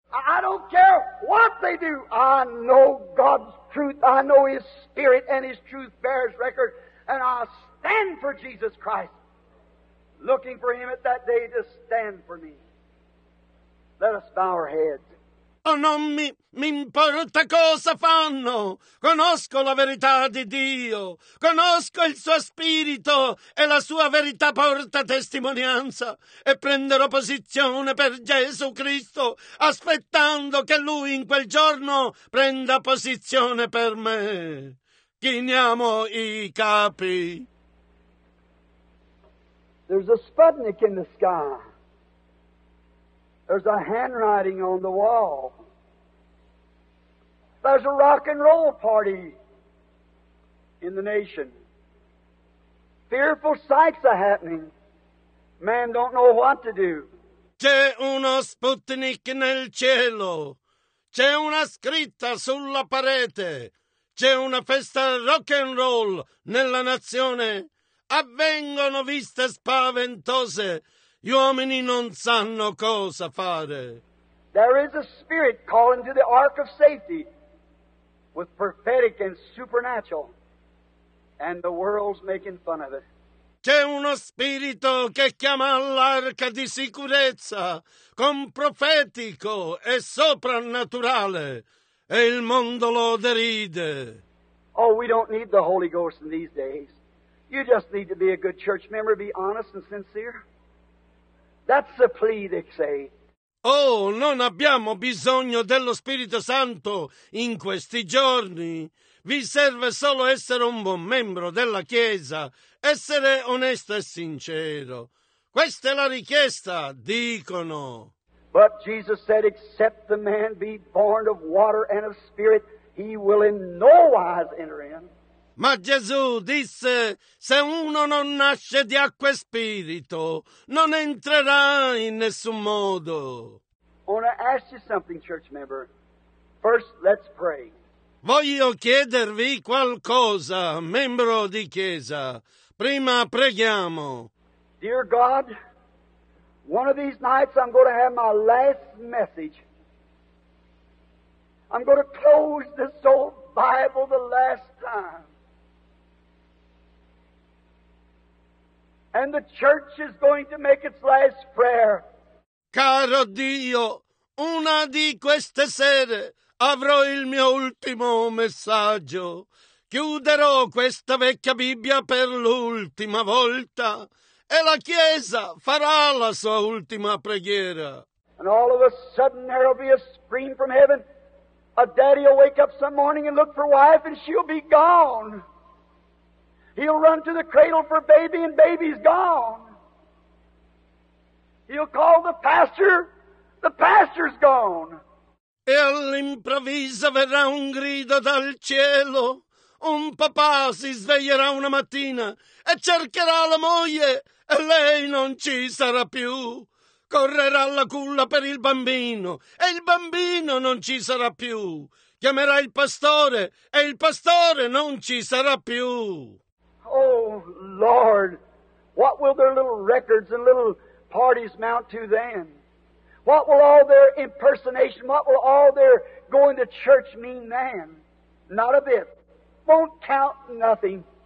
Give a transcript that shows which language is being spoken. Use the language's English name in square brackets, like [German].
[English] I don't care what they do. I know God's truth. I know His Spirit, and His truth bears record. And I stand for Jesus Christ, looking for Him at that day to stand for me. Let us bow our heads. [Italian] Non mi importa cosa fanno. Conosco la verità di Dio. Conosco il suo spirito e la sua verità porta testimonianza. E prenderò posizione per Gesù Cristo, aspettando che Lui in quel giorno prenda posizione per me. Chiniamo i capi. [English] There's a Sputnik in the sky. There's a handwriting on the wall. There's a rock and roll party in the nation. Fearful sights are happening. Man don't know what to do. [Italian] C'è uno Sputnik nel cielo. C'è una scritta sulla parete. C'è una festa rock and roll nella nazione. Avvengono viste spaventose. Gli uomini non sanno cosa fare. [English] There is a spirit calling to the ark of safety. With prophetic and supernatural, and the world's making fun of it. [Italian] C'è uno spirito che chiama all'arca di sicurezza con profetico e soprannaturale, e il mondo lo deride. [English] Oh, we don't need the Holy Ghost in these days. You just need to be a good church member, be honest and sincere. That's the plea they say. [Italian] Oh, non abbiamo bisogno dello Spirito Santo in questi giorni. Vi serve solo essere un buon membro della Chiesa, essere onesto e sincero. Questa è la richiesta, dicono. [English] But Jesus said, except the man be born of water and of spirit, he will in no wise enter in. [Italian] Ma Gesù disse, se uno non nasce di acqua e spirito, non entrerà in nessun modo. [English] I want to ask you something, church member. First, let's pray. [Italian] Voglio chiedervi qualcosa, membro di chiesa. Prima preghiamo. [English] Dear God, one of these nights I'm going to have my last message. I'm going to close this old Bible the last time. And the church is going to make its last prayer. [Italian] Caro Dio, una di queste sere avrò il mio ultimo messaggio. Chiuderò questa vecchia Bibbia per l'ultima volta e la Chiesa farà la sua ultima preghiera. [English] And all of a sudden there'll be a scream from heaven. A daddy'll wake up some morning and look for wife and she'll be gone. He'll run to the cradle for baby, and baby's gone. He'll call the pastor, the pastor's gone. [Italian] E all'improvviso verrà un grido dal cielo. Un papà si sveglierà una mattina e cercherà la moglie, e lei non ci sarà più. Correrà alla culla per il bambino, e il bambino non ci sarà più. Chiamerà il pastore, e il pastore non ci sarà più. [English] Oh, Lord, what will their little records and little parties mount to then? What will all their impersonation, what will all their going to church mean then? Not a bit. Won't count nothing.